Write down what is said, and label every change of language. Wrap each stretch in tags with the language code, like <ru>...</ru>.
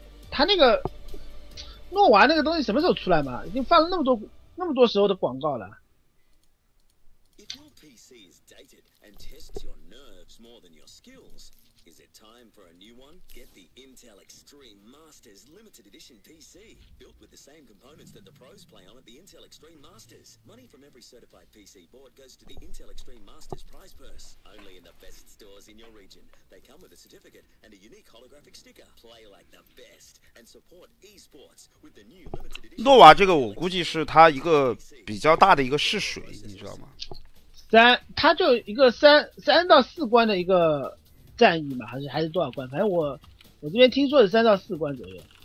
<zh>他那个诺娃那个东西什么时候出来嘛？已经放了那么多时候的广告了。</zh> <en>If your PC is dated and tests your nerves more than your skills, is it time for a new one? Get the Intel Extreme Masters Limited Edition PC, built with the same components that the pros play on at the Intel Extreme Masters. Money from every certified PC board goes to the Intel Extreme Masters prize purse, only in the best stores in your region. They come with a certificate and a unique holographic sticker. Play like the best and support esports with the new limited edition.</en> <zh>诺瓦这个，我估计是它一个比较大的一个试水，你知道吗？三，它就一个3到4关的一个战役嘛，还是多少关？反正我这边听说是3到4关左右。</zh>